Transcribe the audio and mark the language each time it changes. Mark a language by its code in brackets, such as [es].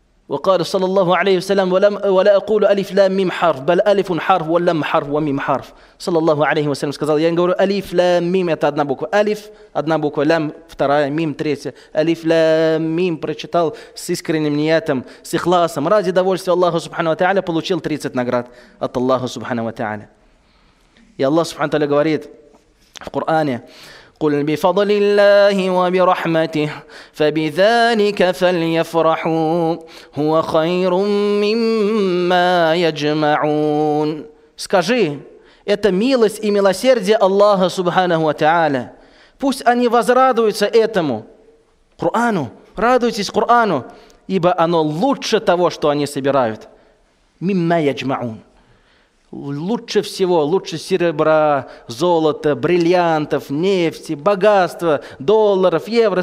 [ar] وقال صلى الله عليه وسلم [ru] ولا أقول ألف لام ميم حرف بل ألف حرف ولام حرف وميم حرف صلى الله عليه وسلم сказал: я не говорю ألف لام ميم, это одна буква, ألف одна буква, лам вторая, ميم третья, ألف لام ميم прочитал с искренним ниятом, с ихласом, ради довольствия Аллаха субхана ва тааля, получил 30 наград от Аллаха субхана ва тааля. И Аллах субхана ва тааля говорит в Коране: [ar] قل بفضل الله وبرحمته فبذلك فليفرحوا هو خير مما يجمعون. [ru] Скажи: это милость и милосердие Аллаха субханаху ва тааля. Пусть они возрадуются этому Корану, радуйтесь Корану, ибо оно лучше того, что они собирают. Мимма яджмаун. Лучше всего, лучше серебра, золота, бриллиантов, нефти, богатства, долларов, евро.